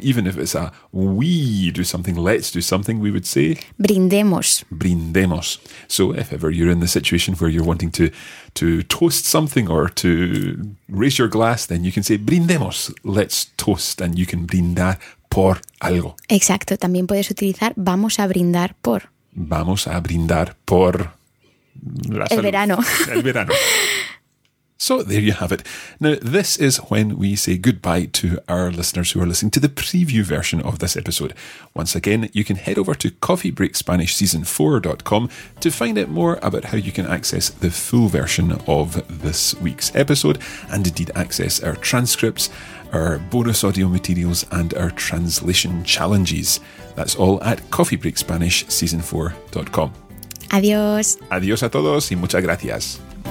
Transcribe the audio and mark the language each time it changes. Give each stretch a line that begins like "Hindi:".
English: Even if it's a we do something, let's do something, we would say
Spanish: brindemos. Brindemos.
English: So if ever you're in the situation where you're wanting to toast something or to raise your glass, then you can say brindemos, let's toast, and you can
Spanish: brindar por algo. Exacto. También puedes utilizar vamos a brindar por. Vamos a brindar por el verano. El verano.
English: So there you have it. Now, this is when we say goodbye to our listeners who are listening to the preview version of this episode. Once again, you can head over to coffeebreakspanishseason4.com to find out more about how you can access the full version of this week's episode and indeed access our transcripts, our bonus audio materials and our translation challenges. That's all at coffeebreakspanishseason4.com.
Spanish: Adiós. Adiós a todos y muchas gracias.